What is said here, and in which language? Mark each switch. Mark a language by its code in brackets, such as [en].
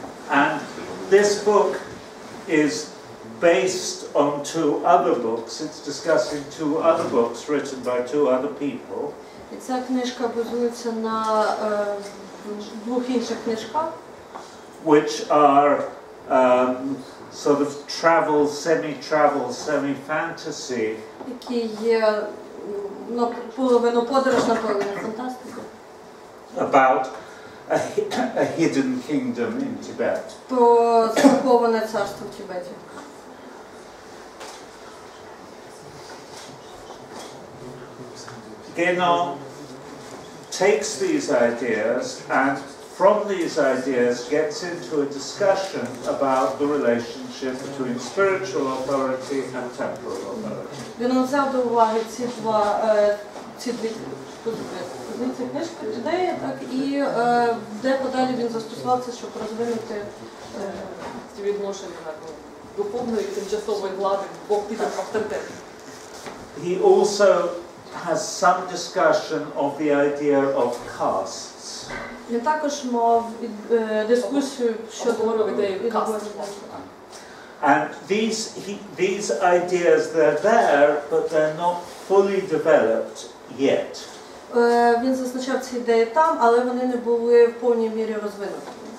[en] And this book is based on two other books. It's discussing two other books written by two other people. [uk] І ця книжка базується на двох інших книжках. [en] Which are sort of travel, semi-fantasy. [uk] Які є половину подорож, наполовину фантастика. [en] About a hidden kingdom in Tibet. [uk] Про заховане царство в Тибеті. [en] Genon takes these ideas and from these ideas gets into a discussion about the relationship between spiritual authority and temporal authority. [uk] Він взяв до уваги ці два ці дві позиції, так, і де подалі він застосувався, щоб розвинути ці відношення духовної і тимчасової влади Бог Пітер авторитет. [en] He also has some discussion of the idea of caste. [uk] Він також мав дискусію щодо ідеї каст. [en] And these ideas, they're there, but they're not fully developed yet. [uk] Він зазначав ці ідеї там, але вони не були в повній мірі розвинуті.